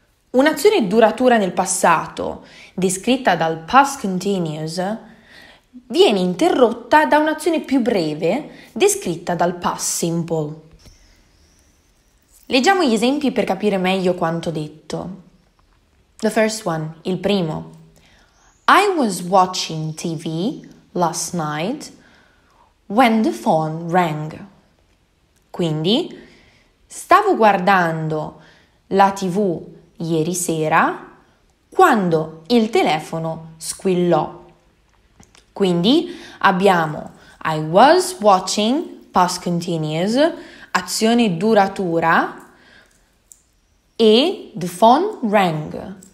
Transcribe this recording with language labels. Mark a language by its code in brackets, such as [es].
[it] Un'azione duratura nel passato, descritta dal past continuous, viene interrotta da un'azione più breve, descritta dal past simple. Leggiamo gli esempi per capire meglio quanto detto. [en] The first one, [it] il primo. [en] I was watching TV last night when the phone rang. [it] Quindi, stavo guardando la TV ieri sera quando il telefono squillò. Quindi abbiamo [en] I was watching [it] past continuous, azione duratura, e [en] the phone rang.